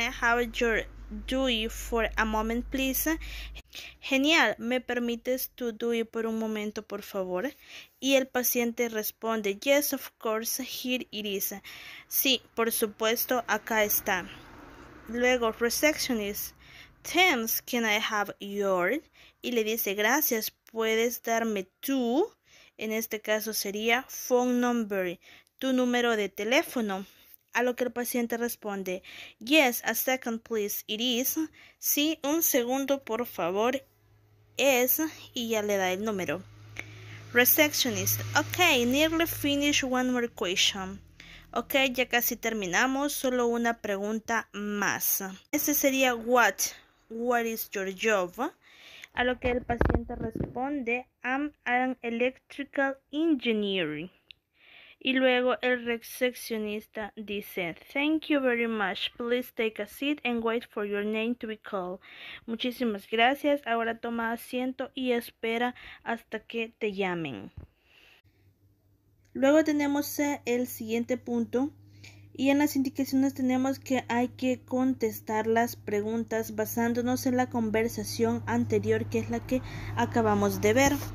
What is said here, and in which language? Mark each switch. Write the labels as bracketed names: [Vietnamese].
[English] Can I have your DUI for a moment, please? [Spanish] Genial, ¿me permites tu DUI por un momento, por favor? Y el paciente responde, [English] yes, of course, here it is. [Spanish] Sí, por supuesto, acá está. Luego, [English] receptionist, thanks, can I have your? [Spanish] Y le dice, gracias, ¿puedes darme tu? En este caso sería [English] phone number, [Spanish] tu número de teléfono. A lo que el paciente responde, [English] yes, a second, please, it is. [Spanish] Sí, un segundo, por favor, es. Y ya le da el número. [English] Receptionist, ok, nearly finished, one more question. [Spanish] Ok, ya casi terminamos, solo una pregunta más. Este sería, [English] what is your job? [Spanish] A lo que el paciente responde, [English] I'm an electrical engineer. [Spanish] Y luego el recepcionista dice, [English] thank you very much, please take a seat and wait for your name to be called. [Spanish] Muchísimas gracias, ahora toma asiento y espera hasta que te llamen. Luego tenemos el siguiente punto y en las indicaciones tenemos que hay que contestar las preguntas basándonos en la conversación anterior que es la que acabamos de ver.